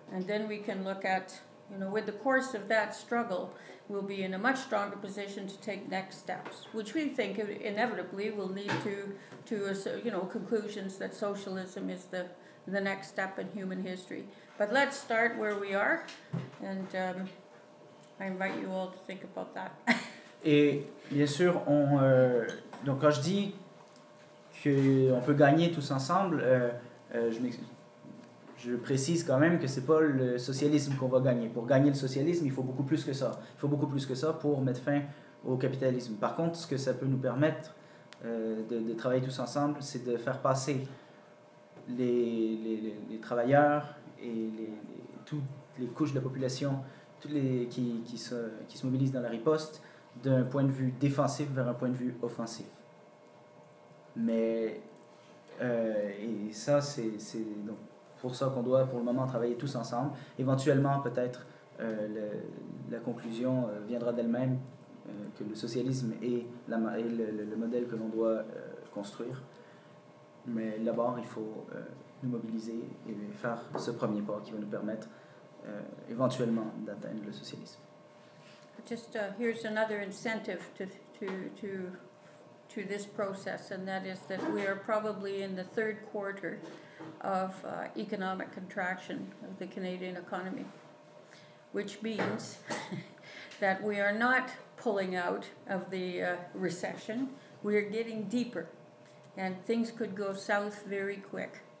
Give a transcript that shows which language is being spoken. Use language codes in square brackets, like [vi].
[en] And then we can look at, you know, with the course of that struggle, we'll be in a much stronger position to take next steps, which we think inevitably will lead to a, you know, conclusions that socialism is the next step in human history. But let's start where we are, and I invite you all to think about that. [fr] Et bien sûr, on, donc quand je dis qu'on peut gagner tous ensemble, je précise quand même que ce n'est pas le socialisme qu'on va gagner. Pour gagner le socialisme, il faut beaucoup plus que ça. Il faut beaucoup plus que ça pour mettre fin au capitalisme. Par contre, ce que ça peut nous permettre de travailler tous ensemble, c'est de faire passer les travailleurs et toutes les couches de la population qui se mobilisent dans la riposte d'un point de vue défensif vers un point de vue offensif. Mais, et ça, c'est donc, pour ça qu'on doit pour le moment travailler tous ensemble. Éventuellement, peut-être, la conclusion viendra d'elle-même que le socialisme est le modèle que l'on doit construire. Mais d'abord, il faut nous mobiliser et faire ce premier pas qui va nous permettre éventuellement d'atteindre le socialisme. [en] Just here's another incentive to this process, and that is that we are probably in the third quarter of economic contraction of the Canadian economy, which means that we are not pulling out of the recession, we are getting deeper, and things could go south very quick.